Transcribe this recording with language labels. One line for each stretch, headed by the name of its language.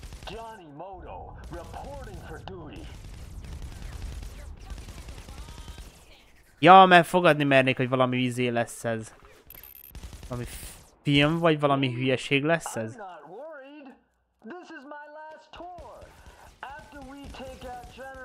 English: Johnny Moto, reporting for duty.
Hungarian: Ja, mert fogadni mernék, hogy valami izé lesz ez. Valami film, vagy valami hülyeség lesz ez.
English: This is my last tour. After we take out